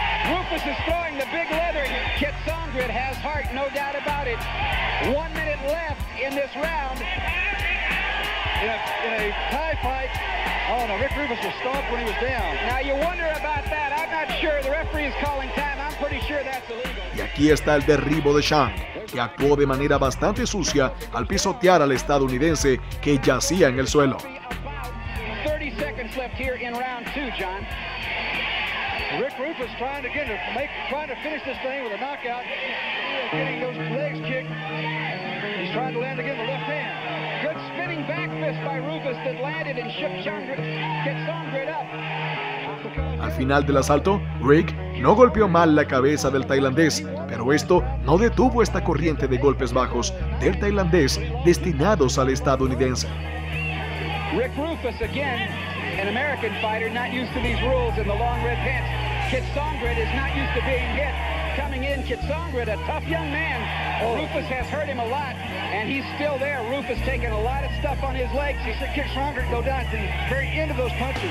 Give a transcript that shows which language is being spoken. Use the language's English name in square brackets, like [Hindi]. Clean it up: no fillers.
[English] Rufus is throwing the big leather. Kit Sondrid has heart, no doubt about it. 1 minute left in this round. In a tie fight. Oh, no, Rick Rufus was stomped when he was down. Now, you wonder about that. I'm not sure. The referee is calling time. I'm pretty sure that's illegal. [Spanish] Y aquí está el derribo de Shang, que actuó de manera bastante sucia al pisotear al estadounidense que yacía en el suelo. [English] 30 seconds left here in round two, John. Rick Rufus trying to get to make, trying to finish this thing with a knockout. Getting those legs kicked. He's trying to land again with the left hand. Good spinning back fist by Rufus that landed and shook Shang. Get Sondrid up. [Spanish] Al final del asalto, Rick no golpeó mal la cabeza del tailandés, pero esto no detuvo esta corriente de golpes bajos del tailandés destinados al estadounidense. [English] Rick Rufus, again, an American fighter, not used to these rules in the long red pants. Kit Sondrid is not used to being hit. Coming in, Kit Sondrid, a tough young man. Rufus has hurt him a lot, and he's still there. Rufus taking a lot of stuff on his legs. He said Kit Sondrid go down to the very end of those punches.